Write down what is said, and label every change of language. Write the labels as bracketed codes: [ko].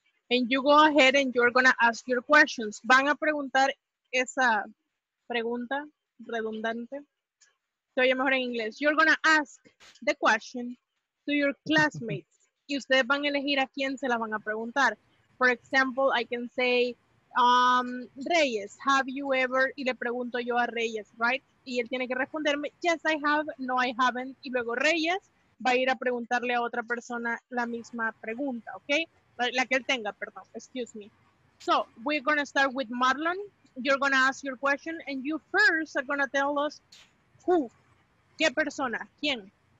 [en] And you go ahead and you're going to ask your questions. [es] Van a preguntar esa pregunta redundante. Se oye mejor en inglés. [en] You're going to ask the question to your classmates. [es] Y ustedes van a elegir a quién se la van a preguntar. [en] For example, I can say, Reyes, have you ever? [es] Y le pregunto yo a Reyes, [en] right? [es] Y él tiene que responderme, [en] yes, I have, no, I haven't. [es] Y luego Reyes va a ir a preguntarle a otra persona la misma pregunta, ¿ok? La que él tenga, perdón, [en] excuse me. So, we're going to start with Marlon. You're going to ask your question, and you first are going to tell us who, [es] qué persona, quién.